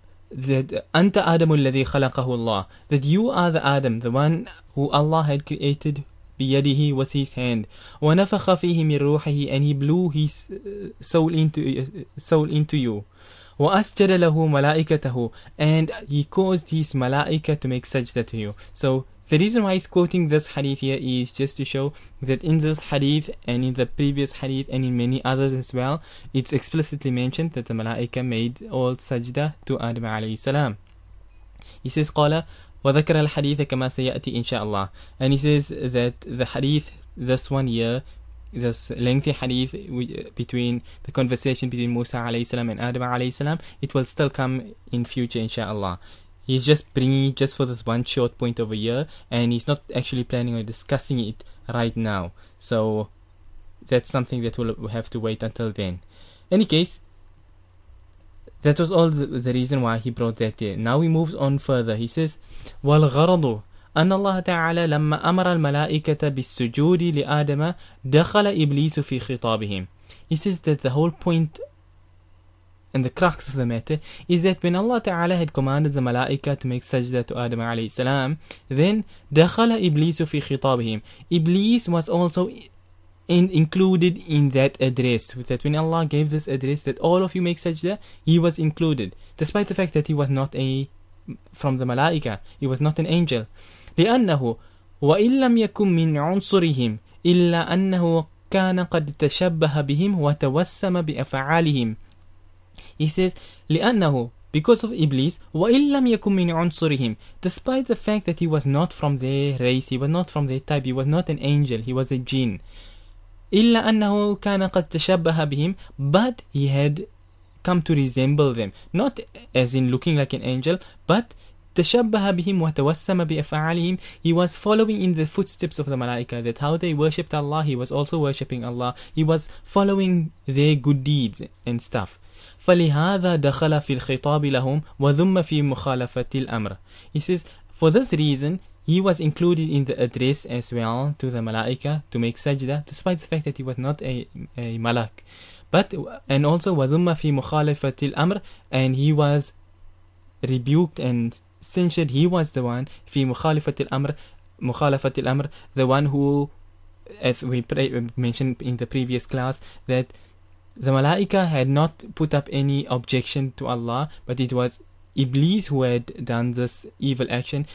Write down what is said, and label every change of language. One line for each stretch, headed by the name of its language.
English: That
Arabic: anta Adamu alladhi khalaqahu Allah,
English: that you are the Adam, the one who Allah had created
Arabic: biyadihi,
English: with his hand,
Arabic: wa nafakha fihi min ruhihi,
English: and he blew his soul into you,
Arabic: wa asjada lahu malaikatahu,
English: and he caused his malaika to make sajda to you. So the reason why he's quoting this hadith here is just to show that in this hadith and in the previous hadith and in many others as well, it's explicitly mentioned that the malaika made all sajda to Adam alayhi salam. He says,
Arabic: qala, وذكر الحديث كما سيأتي إن شاء الله.
English: And he says that the hadith, this one here, this lengthy hadith between the conversation between Musa alayhi salam and Adam alayhi salam, it will still come in future, inshallah. He's just bringing it just for this one short point of a year, and he's not actually planning on discussing it right now. So that's something that we'll have to wait until then. Any case, that was all the reason why he brought that there. Now we move on further. He says,
Arabic: وَالْغَرَضُ أَنَّ اللَّهَ تَعَالَى لَمَّا أَمَرَ الْمَلَائِكَةَ بِالسُّجُودِ لِآدَمَ دَخَلَ إِبْلِيسُ فِي خِطَابِهِمْ.
English: He says that the whole point and the crux of the matter is that when Allah Ta'ala had commanded the Malaika to make sajda to Adam alayhi salam, then
Arabic: دَخَلَ إِبْلِيسُ فِي خِطَابِهِمْ.
English: Iblis was also included in that address, that when Allah gave this address that all of you make sajda, he was included, despite the fact that he was not from the malaika, he was not an angel.
Arabic: لأنه وإن لم يكن من عنصرهم إلا أنه كان قد تشبه بهم وتوسم بأفعالهم.
English: He says,
Arabic: لأنه,
English: because of Iblis,
Arabic: وإن لم يكن من عنصرهم,
English: despite the fact that he was not from their race, he was not from their type, he was not an angel, he was a jinn.
Arabic: إلا أنه كان قد تشبه بهم,
English: but he had come to resemble them, not as in looking like an angel, but
Arabic: تشبه بهم وتوسم بأفعالهم,
English: he was following in the footsteps of the malaika, that how they worshipped Allah, he was also worshipping Allah, he was following their good deeds and stuff.
Arabic: فلهذا دخل في الخطاب لهم وذم في مخالفة الأمر.
English: He says, for this reason, he was included in the address as well to the malaika to make sajda, despite the fact that he was not a malak. But, and also,
Arabic: وَذُمَّ فِي مُخَالَفَةِ الْأَمْرِ,
English: and he was rebuked and censured, he was the one,
Arabic: فِي مُخَالَفَةِ الْأَمْرِ, مُخَالَفَةِ الْأَمْرِ,
English: the one who, as we mentioned in the previous class, that the malaika had not put up any objection to Allah, but it was Iblis who had done this evil action.